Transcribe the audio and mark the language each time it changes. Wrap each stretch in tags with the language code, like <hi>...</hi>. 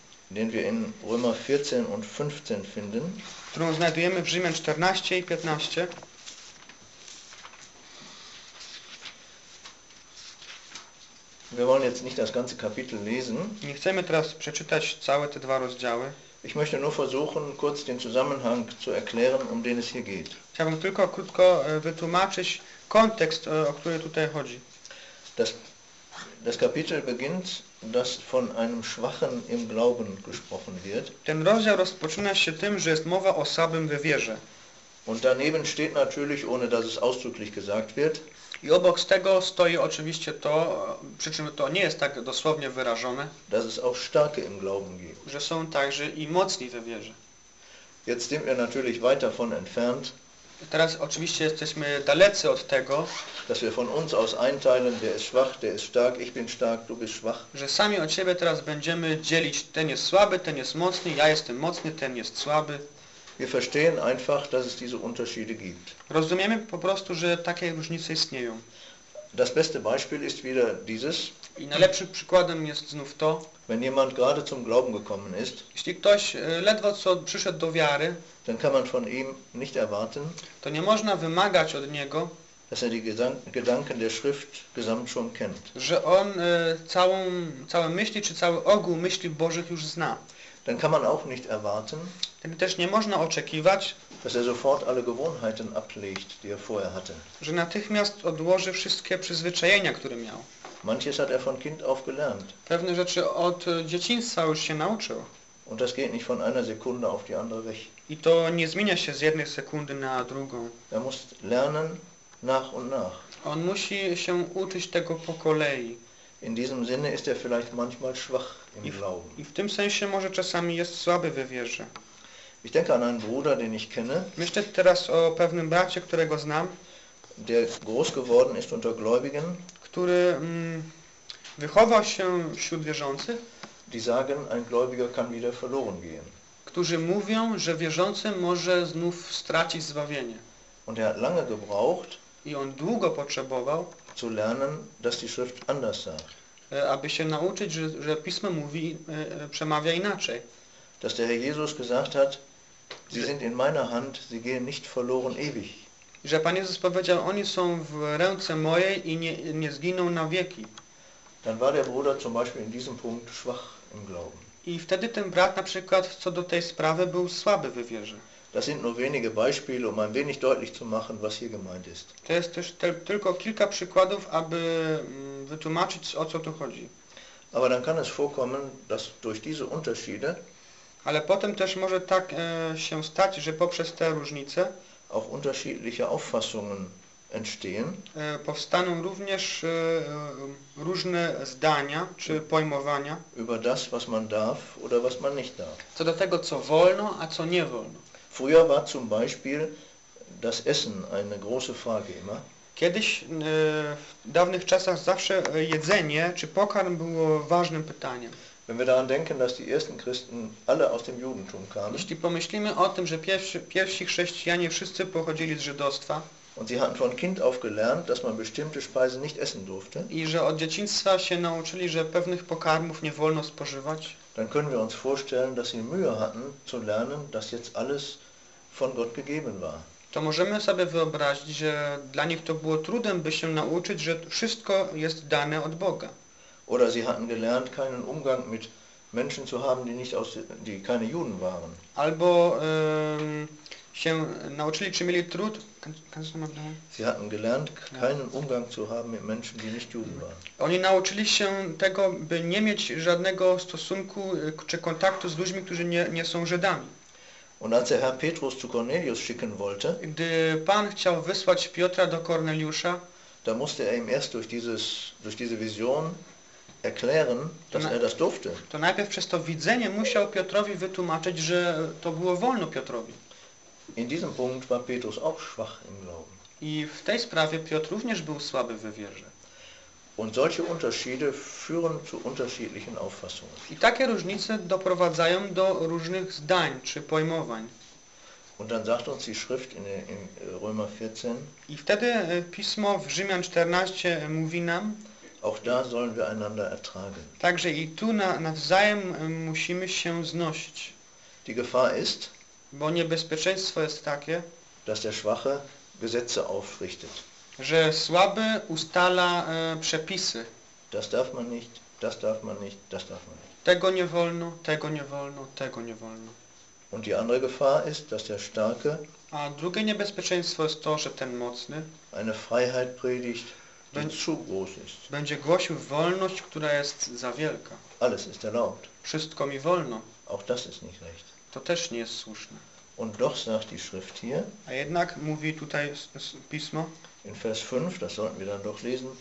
<de>den wir in Römer 14 und 15 finden,</de> <pl>którą znajdujemy w Rzymian 14 i 15.</pl> <de>Wir wollen jetzt nicht das ganze Kapitel lesen.</de> <pl>Nie chcemy teraz przeczytać całe te dwa rozdziały.</pl> <de>Ich möchte nur versuchen, kurz den Zusammenhang zu erklären, um den es hier geht.</de> <pl>Chciałbym tylko krótko wytłumaczyć kontekst, o który tutaj chodzi.</pl> <de>Das Kapitel beginnt, dass von einem Schwachen im Glauben gesprochen wird.</de> <pl>Ten rozdział rozpoczyna się tym, że jest mowa o słabym we wierze.</pl> <de>Und daneben steht natürlich, ohne dass es ausdrücklich gesagt wird.</de> <pl>I obok z tego stoi oczywiście to, przy czym to nie jest tak dosłownie wyrażone,</pl> <de>dass es auch starke im Glauben gibt.</de> <pl>Że są także i mocni we wierze.</pl> <de>Jetzt sind wir natürlich weit davon entfernt.</de> <pl>Teraz oczywiście jesteśmy dalecy od tego,</pl> <de>dass wir von uns aus einteilen, der ist schwach, der ist stark, ich bin stark, du bist schwach.</de> <pl>Że sami od siebie teraz będziemy dzielić, ten jest słaby, ten jest mocny, ja jestem mocny, ten jest słaby.</pl> <de>Wir verstehen einfach, dass es diese Unterschiede gibt.</de> <pl>Rozumiemy po prostu, że takie różnice istnieją.</pl> <de>Das beste Beispiel ist wieder dieses.</de> <pl>I najlepszym przykładem jest znów to,</pl> <de>wenn jemand gerade zum Glauben gekommen ist,</de> <pl>jeśli ktoś ledwo co przyszedł do wiary,</pl> <de>dann kann man von ihm nicht erwarten,</de> <pl>to nie można wymagać od niego,</pl> <de>dass er die Gedanken der Schrift gesamt schon kennt.</de> <pl>Że on całe myśli, czy cały ogół myśli Bożych już zna.</pl> <de>Dann kann man auch nicht erwarten,</de> <pl>też nie można oczekiwać,</pl> <de>dass er sofort alle Gewohnheiten ablegt, die er vorher hatte.</de> <pl>Że natychmiast odłoży wszystkie przyzwyczajenia, które miał.</pl> <de>Manches hat er von Kind auf gelernt.</de> <pl>Pewne rzeczy od dzieciństwa już się nauczył.</pl> <de>Und das geht nicht von einer Sekunde auf die andere weg.</de> <pl>I to nie zmienia się z jednej sekundy na drugą.</pl> <de>Er muss lernen nach und nach.</de> <pl>On musi się uczyć tego po kolei.</pl> <de>In diesem Sinne ist er vielleicht manchmal schwach im Glauben.</de> <pl>I w tym sensie może czasami jest słaby we wierze.</pl> <de>Ich denke an einen Bruder, den ich kenne.</de> <pl>Myślę teraz o pewnym bracie, którego znam,</pl> <de>der groß geworden ist unter Gläubigen,</de> <pl>który wychował się wśród wierzących,</pl> <de>die sagen, ein Gläubiger kann wieder verloren gehen.</de> <pl>Którzy mówią, że wierzący może znów stracić zbawienie.</pl> <de>Und er hat lange gebraucht,</de> <pl>i on długo potrzebował,</pl> <de>zu lernen, dass die Schrift anders sagt.</de> <pl>Aby się nauczyć, że Pismo mówi, przemawia inaczej.</pl> <de>Dass der Herr Jesus gesagt hat, sie sind in meiner Hand, sie gehen nicht verloren ewig.</de> <pl>Że Pan Jezus powiedział, oni są w ręce mojej i nie zginą na wieki.</pl> <de>Dann war der Bruder zum Beispiel in diesem Punkt schwach im Glauben.</de> <pl>I wtedy ten brat na przykład co do tej sprawy był słaby we wierze.</pl> <de>Das sind nur wenige Beispiele, um ein wenig deutlich zu machen, was hier gemeint ist.</de> <pl>To jest też tylko kilka przykładów, aby wytłumaczyć, o co tu chodzi.</pl> <de>Aber dann kann es vorkommen, dass durch diese Unterschiede,</de> <pl>ale potem też może tak się stać, że poprzez te różnice</pl> <de>auch unterschiedliche Auffassungen entstehen,</de> <pl>powstaną również różne zdania czy pojmowania</pl> <de>über das, was man darf oder was man nicht darf.</de> <pl>Co do tego, co wolno, a co nie wolno.</pl> <de>Früher war zum Beispiel das Essen eine große Frage immer.</de> <pl>Kiedyś w dawnych czasach zawsze jedzenie czy pokarm było ważnym pytaniem.</pl> <de>Wenn wir daran denken, dass die ersten Christen alle aus dem Judentum kamen.</de> <pl>Jeśli pomyślimy o tym, że pierwsi chrześcijanie wszyscy pochodzili z żydostwa.</pl> <de>Und sie hatten von Kind auf gelernt, dass man bestimmte Speisen nicht essen durfte.</de> <pl>I że od dzieciństwa się nauczyli, że pewnych pokarmów nie wolno spożywać.</pl> <de>Dann können wir uns vorstellen, dass sie Mühe hatten zu lernen, dass jetzt alles von Gott gegeben war.</de> <pl>To możemy sobie wyobrazić, że dla nich to było trudem, by się nauczyć, że wszystko jest dane od Boga.</pl> <de>Oder sie hatten gelernt, keinen Umgang mit Menschen zu haben, die nicht aus, die keine Juden waren.</de> <pl>Albo się nauczyli, czy mieli trud.</pl> <de>Kannst du mal sagen? Sie hatten gelernt, keinen Umgang zu haben mit Menschen, die nicht Juden waren.</de> <pl>Oni nauczyli się tego, by nie mieć żadnego stosunku czy kontaktu z ludźmi, którzy nie są Żydami.</pl> <de>Und als der Herr Petrus zu Cornelius schicken wollte,</de> <pl>Gdy Pan chciał wysłać Piotra do Korneliusza,</pl> <de>da musste er ihm erst durch diese Vision erklären, dass er das durfte.</de> <pl>To najpierw przez to widzenie musiał Piotrowi wytłumaczyć, że to było wolno Piotrowi.</pl> <de>In diesem Punkt war Petrus auch schwach im Glauben.</de> <pl>I w tej sprawie Piotr również był słaby we wierze.</pl> <de>Und solche Unterschiede führen zu unterschiedlichen Auffassungen.</de> <pl>I takie różnice doprowadzają do różnych zdań czy pojmowań.</pl> <de>Und dann sagt uns die Schrift in Römer 14.</de> <pl>I wtedy pismo w Rzymian 14 mówi nam.</pl> <de>Auch da sollen wir einander ertragen.</de> <pl>Także i tu nawzajem musimy się znosić.</pl> <de>Die Gefahr ist,</de> <pl>bo niebezpieczeństwo jest takie,</pl> <de>dass der Schwache Gesetze aufrichtet.</de> <pl>Że słaby ustala przepisy.</pl> <de>Das darf man nicht, das darf man nicht, das darf man nicht.</de> <pl>Tego nie wolno, tego nie wolno, tego nie wolno.</pl> <de>Und die andere Gefahr ist, dass der Starke</de> <pl>a drugie niebezpieczeństwo jest to, że ten mocny</pl> <de>eine Freiheit predigt, die zu groß ist.</de> <pl>Będzie głosił wolność, która jest za wielka.</pl> <de>Alles ist erlaubt.</de> <pl>Wszystko mi wolno.</pl> <de>Auch das ist nicht recht.</de> <pl>To też nie jest słuszne.</pl> <de>Und doch sagt die Schrift hier,</de> <pl>a jednak mówi tutaj pismo</pl> <de>in Vers 5, das sollten wir dann doch lesen,</de>